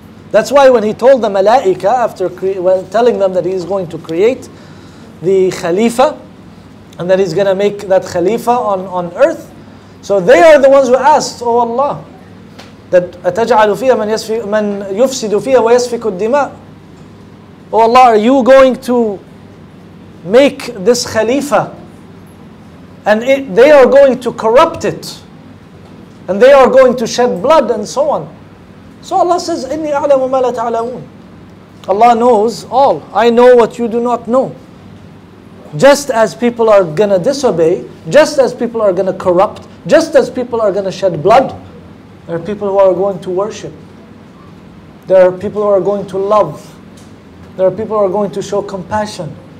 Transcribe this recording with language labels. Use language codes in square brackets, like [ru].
[en] That's why when He told the malaika, telling them that He is going to create the khalifa, and that He's going to make that khalifa on earth, so they are the ones who asked, oh Allah, that أَتَجْعَلُ فِيهَا مَنْ يُفْسِدُ فِيهَا وَيَسْفِكُ الدِّمَاءِ. Oh Allah, are You going to make this khalifa? And they are going to corrupt it. And they are going to shed blood and so on. [ar] So Allah says, إِنِّي أَعْلَمُ مَا لَا تَعْلَمُونَ. [en] Allah knows all. I know what you do not know. Just as people are going to disobey, just as people are going to corrupt, just as people are going to shed blood, there are people who are going to worship. There are people who are going to love. There are people who are going to show compassion.